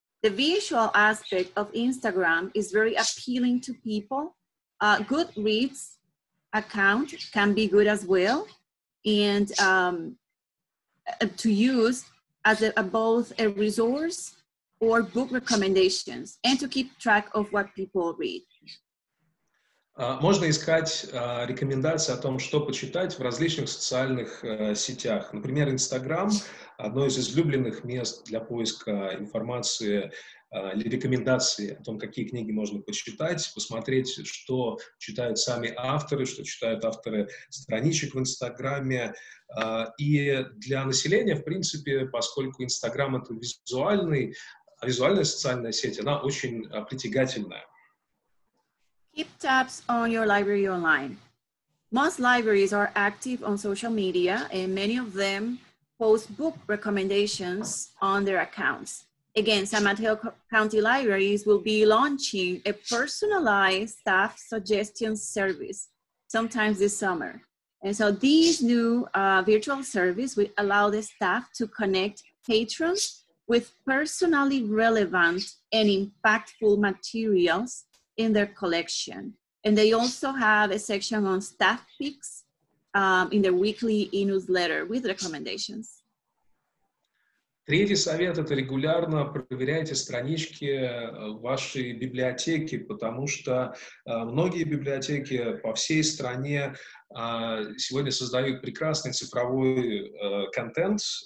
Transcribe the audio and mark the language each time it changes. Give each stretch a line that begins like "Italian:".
English: The visual aspect of Instagram is very appealing to people. Goodreads account can be good as well, and to use as a, both a resource or book recommendations, and to keep track of what people read.
Russian: Можно искать рекомендации о том, что почитать в различных социальных сетях. Например, Instagram — одно из излюбленных мест для поиска информации или рекомендаций о том, какие книги можно почитать, посмотреть, что читают сами авторы, что читают авторы страничек в Инстаграме. И для населения, в принципе, поскольку Instagram — это визуальная социальная сеть, она очень притягательная.
English: Keep tabs on your library online. Most libraries are active on social media, and many of them post book recommendations on their accounts. Again, San Mateo County Libraries will be launching a personalized staff suggestion service sometime this summer. And so this new virtual service will allow the staff to connect patrons with personally relevant and impactful materials in their collection. And they also have a section on staff picks in their weekly e-newsletter with recommendations.
Russian: Третий совет — это регулярно проверяйте странички вашей библиотеки, потому что многие библиотеки по всей стране сегодня создают прекрасный цифровой контент.